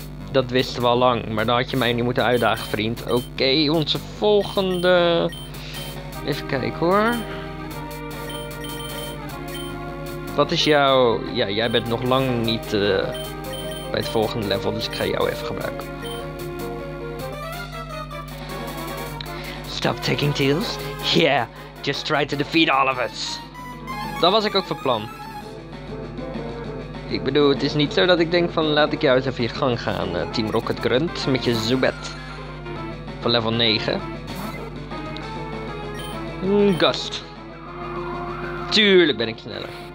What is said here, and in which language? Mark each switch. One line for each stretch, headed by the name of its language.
Dutch: Dat wisten we al lang, maar dan had je mij niet moeten uitdagen, vriend. Oké, onze volgende... Even kijken hoor. Wat is jouw... Ja, jij bent nog lang niet bij het volgende level, dus ik ga jou even gebruiken.
English: Stop taking deals? Yeah, just try to defeat all of us.
Dutch: Dat was ik ook van plan. Ik bedoel, het is niet zo dat ik denk van laat ik jou eens even je gang gaan, Team Rocket Grunt, met je Zubat. Van level 9. Gust. Tuurlijk ben ik sneller.